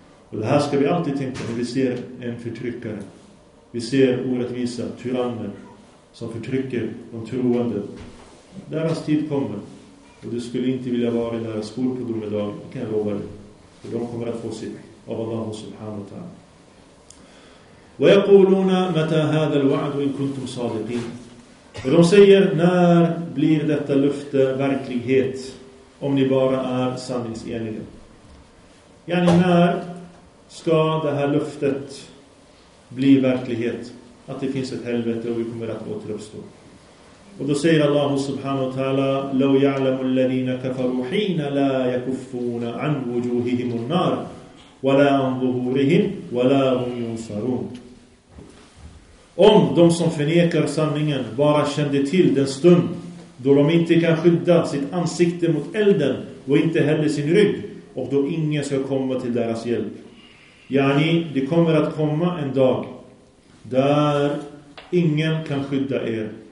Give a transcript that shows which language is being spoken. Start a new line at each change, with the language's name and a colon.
Swedish: Och det här ska vi alltid tänka när vi ser en förtryckare. Vi ser orättvisa tyranner som förtrycker de troende. Deras tid kommer. Och du skulle inte vilja vara i deras skor på domedagen. Det kan jag lova dig. För de kommer att få sitt av Allah subhanahu wa ta'ala.
Arabic: ويقولون متى هذا الوعد ان كنتم صادقين.
Swedish: De säger, när blir detta löfte verklighet om ni bara är sanningseniga? Yani, när ska det här löftet bli verklighet att det finns ett helvete och vi kommer att återuppstå? Och då säger Allah subhanahu wa ta'ala:
Arabic: لَوْ يَعْلَمُ الَّذِينَ كَفَرُوا حِينَ لَا يَكُفُّونَ عَنْ وُجُوهِهِمُ النَّارِ وَلَا عَنْ ظُهُورِهِمْ وَلَا هُمْ يُنْصَرُونَ.
Swedish: Om de som förnekar sanningen bara kände till den stund då de inte kan skydda sitt ansikte mot elden och inte heller sin rygg, och då ingen ska komma till deras hjälp. Yani, det kommer att komma en dag där ingen kan skydda er.